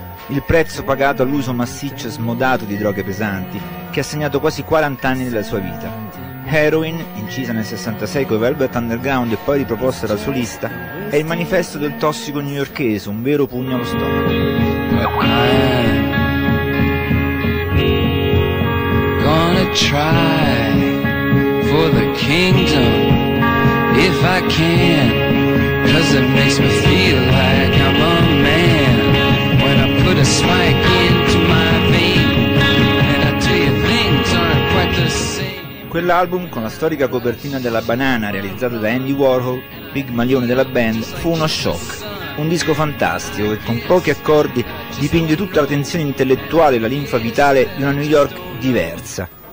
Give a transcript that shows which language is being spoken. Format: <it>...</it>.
<it>Il prezzo pagato all'uso massiccio e smodato di droghe pesanti, che ha segnato quasi 40 anni della sua vita. Heroin, incisa nel 66 con Velvet Underground e poi riproposta da solista, è il manifesto del tossico newyorkese, un vero pugno allo stomaco.</it> <en>Gonna try for the kingdom if I can, cause it makes me feel like I'm a man when I put a spike into my vein and I tell you things aren't quite the same.</en> <it>Quell'album, con la storica copertina della banana realizzata da Andy Warhol, big maglione della band, fu uno shock. Un disco fantastico che con pochi accordi dipinge tutta la tensione intellettuale e la linfa vitale di una New York diversa.</it>